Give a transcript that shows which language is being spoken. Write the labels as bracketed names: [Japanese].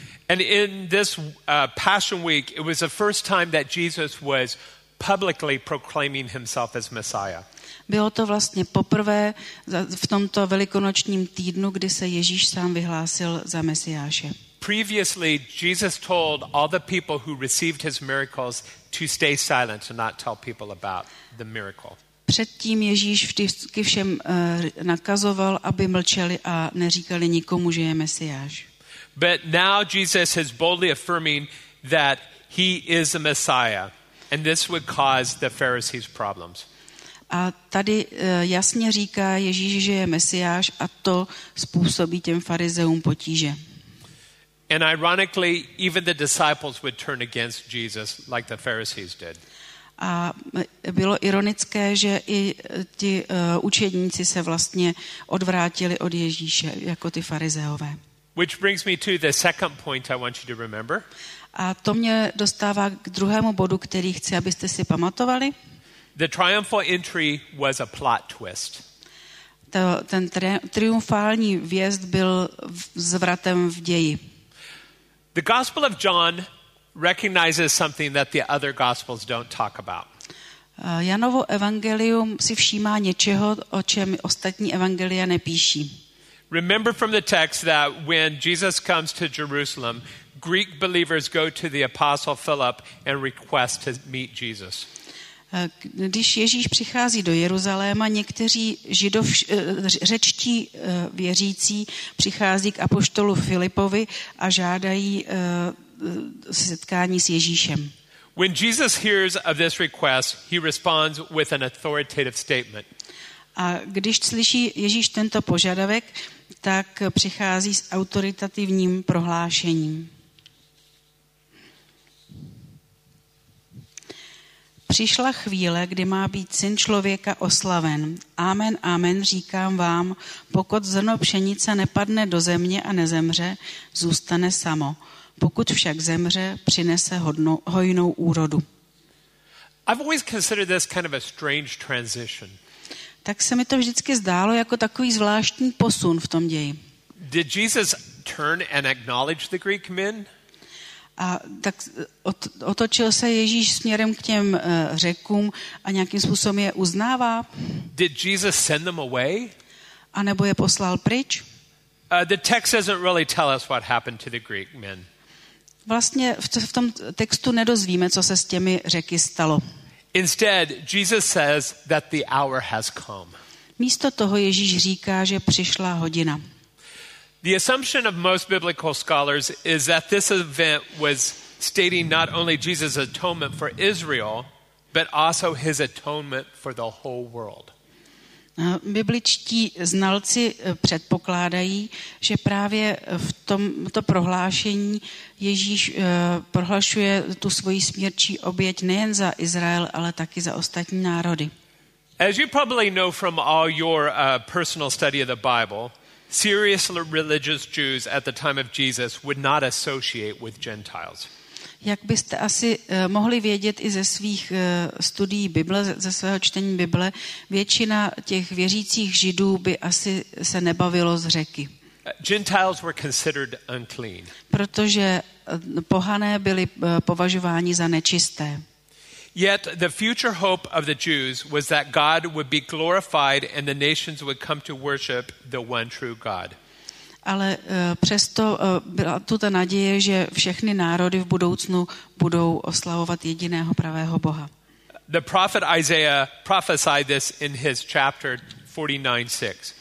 [English] And in this Passion Week, it was the first time that Jesus was publicly proclaiming himself as Messiah. [Czech] Bylo to vlastně poprvé v tomto velikonočním týdnu, kdy se Ježíš sám vyhlásil za Mesiáše. [English] Previously Jesus told all the people who received his miracles to stay silent and not tell people about the miracle. [Czech] Předtím Ježíš vždycky všem nakazoval, aby mlčeli a neříkali nikomu, že je Mesiáš. [English] But now Jesus is boldly affirming that he is the Messiah. And this would cause the Pharisees problems. [Czech] A tady jasně říká Ježíš, že je Mesiáš, a to způsobí těm farizeům potíže. [English] And ironically, even the disciples would turn against Jesus like the Pharisees did. [Czech] A bylo ironické, že i ti učedníci se vlastně odvrátili od Ježíše jako ty farizeové. [English] Which brings me to the second point I want you to remember. [Czech] A to mě dostává k druhému bodu, který chci, abyste si pamatovali. [English] The triumphal entry was a plot twist. [Czech] Ten triumfální vjezd byl zvratem v ději. [English] The Gospel of John recognizes something that the other Gospels don't talk about. [Czech] Janovo evangelium si všímá něčeho, o čem ostatní evangelia nepíší. [English] Remember from the text that when Jesus comes to Jerusalem, Greek believers go to the apostle Philip and request to meet Jesus. [Czech] Když Ježíš přichází do Jeruzaléma, někteří řečtí věřící přichází k apoštolu Filipovi a žádají setkání s Ježíšem. [English] When Jesus hears of this request, he responds with an authoritative statement. [Czech] A když slyší Ježíš tento požadavek, tak přichází s autoritativním prohlášením. Přišla chvíle, kdy má být syn člověka oslaven. Amen, amen, říkám vám, pokud zrno pšenice nepadne do země a nezemře, zůstane samo. Pokud však zemře, přinese hojnou úrodu. [English] I've always considered this kind of a strange transition. [Czech] Tak se mi to vždycky zdálo jako takový zvláštní posun v tom ději. [English] Did Jesus turn and acknowledge the Greek men? [Czech] A tak otočil se Ježíš směrem k těm Řekům a nějakým způsobem je uznává? [English] Did Jesus send them away? [Czech] A nebo je poslal pryč? [English] The text doesn't really tell us what happened to the Greek men. [Czech] Vlastně v tom textu nedozvíme, co se s těmi Řeky stalo. [English] Instead, Jesus says that the hour has come. [Czech] Místo toho Ježíš říká, že přišla hodina. [English] The assumption of most biblical scholars is that this event was stating not only Jesus' atonement for Israel, but also his atonement for the whole world. [Czech] Bibličtí znalci předpokládají, že právě v tomto prohlášení Ježíš prohlašuje tu svoji smírčí oběť nejen za Izrael, ale taky za ostatní národy. [English] As you probably know from all your personal study of the Bible, serious religious Jews at the time of Jesus would not associate with Gentiles. [Czech] Jak byste asi mohli vědět i ze svých studií Bible, ze svého čtení Bible, většina těch věřících Židů by asi se nebavilo z Řeky. [English] Gentiles were considered unclean. [Czech] Protože pohané byli považováni za nečisté. [English] Yet the future hope of the Jews was that God would be glorified and the nations would come to worship the one true God. [Czech] Ale přesto byla tu ta naděje, že všechny národy v budoucnu budou oslavovat jediného pravého Boha. [English] The prophet Isaiah prophesied this in his chapter 49:6.